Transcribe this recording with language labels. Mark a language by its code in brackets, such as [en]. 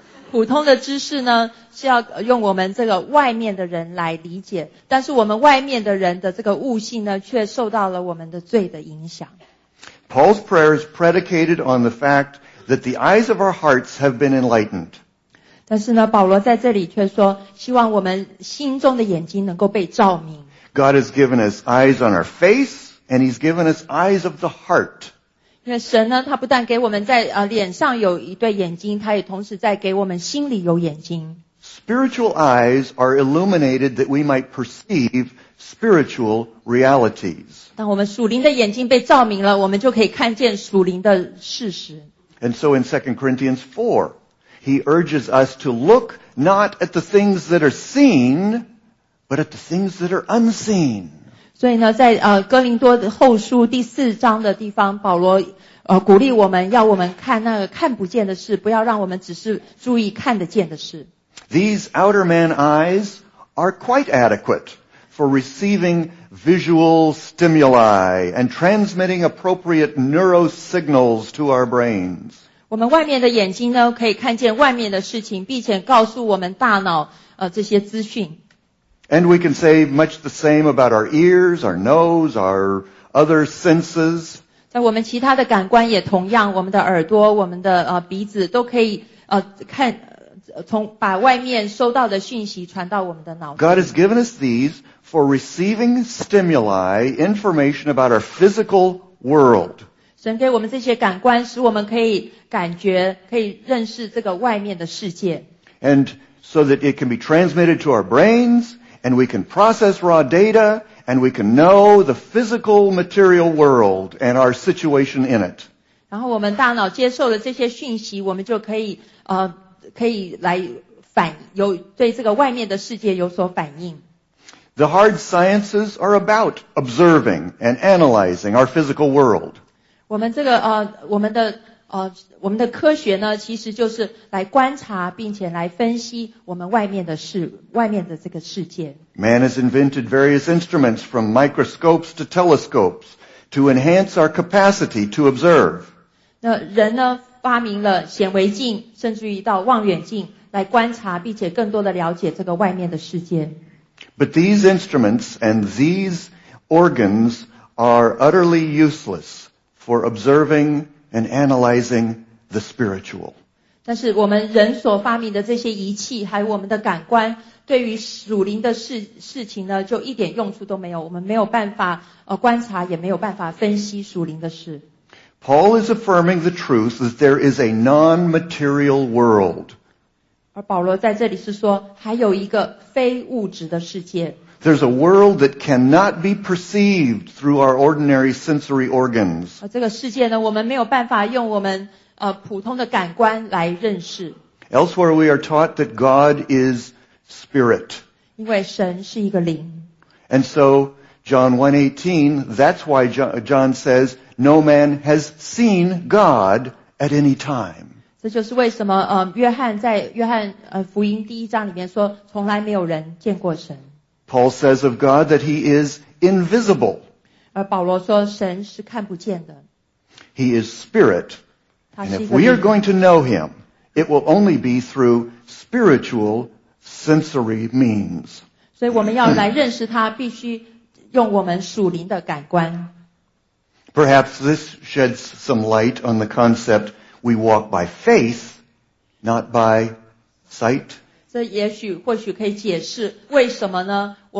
[zh] 普通的知识呢, 是要用我们这个外面的人来理解, 但是我们外面的人的这个悟性呢, 却受到了我们的罪的影响。 [en] Paul's prayer is predicated on the fact that the eyes of our hearts have been enlightened. [zh] 但是呢, 保罗在这里却说, 希望我们心中的眼睛能够被照明。 [en] God has given us eyes on our face, and He's given us eyes of the heart. [zh] 因为神呢, 祂不但给我们在, 脸上有一对眼睛, 祂也同时在给我们心里有眼睛。 [en] Spiritual eyes are illuminated that we might perceive spiritual realities. [zh] 当我们属灵的眼睛被照明了, 我们就可以看见属灵的事实。 [en] And so in 2 Corinthians 4, He urges us to look not at the things that are seen, but at the things that are unseen. [zh] 所以呢, 在, 哥林多后书第四章的地方, 保罗, 鼓励我们, 要我们看那个看不见的事, 不要让我们只是注意看得见的事。 [en] These outer man eyes are quite adequate for receiving visual stimuli and transmitting appropriate neurosignals to our brains. [zh] 我们外面的眼睛呢, 可以看见外面的事情, 并且告诉我们大脑, 这些资讯。 [en] And we can say much the same about our ears, our nose, our other senses. [zh] 在我们其他的感官也同样, 我们的耳朵, 我们的, 鼻子, 都可以, 看, 从把外面收到的讯息传到我们的脑子。 [en] God has given us these for receiving stimuli, information about our physical world. [zh] 神给我们这些感官, 使我们可以感觉, 可以认识这个外面的世界。 [en] And so that it can be transmitted to our brains, and we can process raw data, and we can know the physical material world and our situation in it. [zh] 然后我们大脑接受了这些讯息, 我们就可以, 可以来反, 有, 对这个外面的世界有所反应。 [en] The hard sciences are about observing and analyzing our physical world. [zh] 我们这个, 我们的, 我们的科学呢, 其实就是来观察, 并且来分析, 我们外面的事, 外面的这个世界。 [en] Man has invented various instruments from microscopes to telescopes to enhance our capacity to observe. [zh] 那人呢, 发明了显微镜, 甚至于到望远镜, 来观察, 并且更多地了解这个外面的世界。 [en] But these instruments and these organs are utterly useless for observing and analyzing the spiritual. [zh] 但是我们人所发明的这些仪器, 还有我们的感官, 对于属灵的事情呢, 就一点用处都没有, 我们没有办法, 观察, 也没有办法分析属灵的事。 [en] Paul is affirming the truth that there is a non-material world. [zh] 而保罗在这里是说, 还有一个非物质的世界。 [en] There's a world that cannot be perceived through our ordinary sensory organs. [zh] 这个世界呢, 我们没有办法用我们, 普通的感官来认识。 [en] Elsewhere we are taught that God is spirit. [zh] 因为神是一个灵。 [en] And so, John 1:18, that's why John says, no man has seen God at any time. [zh] 这就是为什么约翰在约翰福音第一章里面说从来没有人见过神。 [en] Paul says of God that he is invisible. [zh] 而保罗说神是看不见的。 [en] He is spirit. And if we are going to know him, it will only be through spiritual sensory means. [zh] 所以我们要来认识他必须用我们属灵的感官。 [en] Perhaps this sheds some light on the concept we walk by faith, not by sight. [zh] 这也许或许可以解释为什么呢？